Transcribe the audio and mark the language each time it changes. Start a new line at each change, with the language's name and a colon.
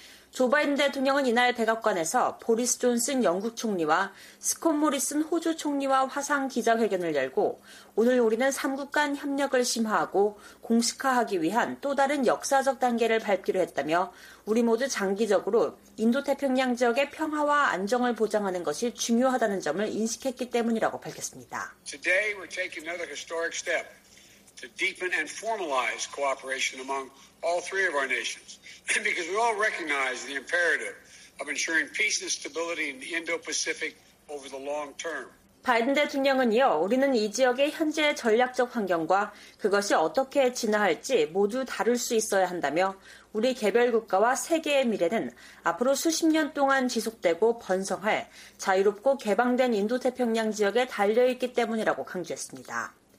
Korean: 조 바이든 대통령은 이날 백악관에서 보리스 존슨 영국 총리와 스콧 모리슨 호주 총리와 화상 기자회견을 열고 오늘 우리는 3국 간 협력을 심화하고 공식화하기 위한 또 다른 역사적 단계를 밟기로 했다며 우리 모두 장기적으로 인도태평양 지역의 평화와 안정을 보장하는 것이 중요하다는 점을 인식했기 때문이라고 밝혔습니다.
English: Today we're taking another historic step. to deepen and formalize cooperation among all three of our nations, because we all recognize the imperative of ensuring peace and stability in the Indo-Pacific over the long term.
Korean: 바이든 대통령은 이어 우리는 이 지역의 현재 전략적 환경과 그것이 어떻게 진화할지 모두 다룰 수 있어야 한다며 우리 개별 국가와 세계의 미래는 앞으로 수십 년 동안 지속되고 번성할 자유롭고 개방된 인도태평양 지역에 달려있기 때문이라고 강조했습니다.